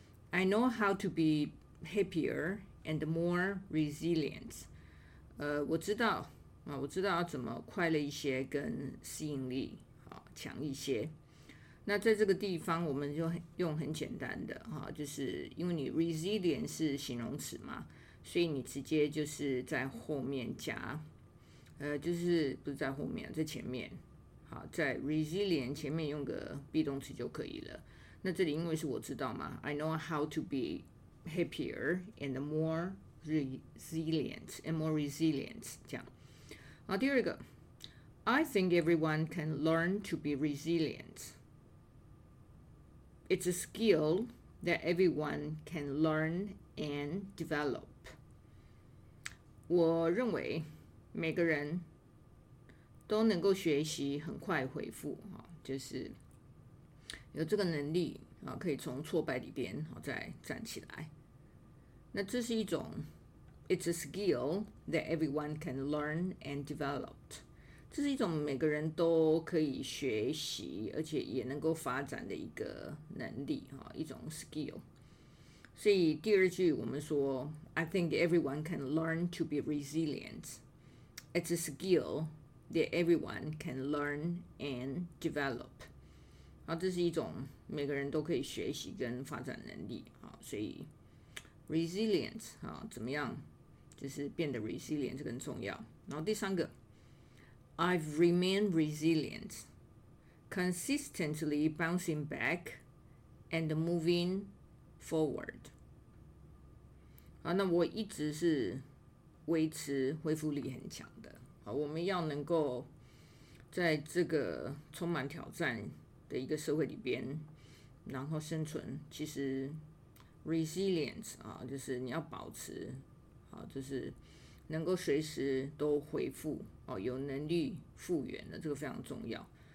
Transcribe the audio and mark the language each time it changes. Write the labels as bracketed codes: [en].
[en] I know how to be happier and more resilient. [zh] 我知道要怎么快乐一些跟适应力强一些。那在这个地方我们就用很简单的，就是因为你 resilient 是形容词嘛，所以你直接就是在后面加就是不是在后面，在前面，好，在 resilient 前面用个 be 动词就可以了。那这里因为是我知道嘛， [en] I know how to be happier and more resilient and more resilient [zh] 这样。 [en] 好， [zh] 第二个， [en] I think everyone can learn to be resilient. It's a skill that everyone can learn and develop. [zh] 我认为每个人都能够学习很快回复，就是有这个能力可以从挫败里边再站起来。那这是一种 [en] It's a skill that everyone can learn and develop. [zh] 这是一种每个人都可以学习而且也能够发展的一个能力，一种 skill。所以第二句我们说 [en] I think everyone can learn to be resilient. It's a skill that everyone can learn and develop. [zh] 这是一种每个人都可以学习跟发展能力，所以 resilient 怎么样就是变得 resilient 这个很重要。然后第三个， [en] I've remained resilient, consistently bouncing back and moving forward. [zh] 那我一直是维持恢复力很强的。我们要能够在这个充满挑战的一个社会里边，然后生存，其实 resilient 就是你要保持，就是能够随时都回复有能力复原的，这个非常重要。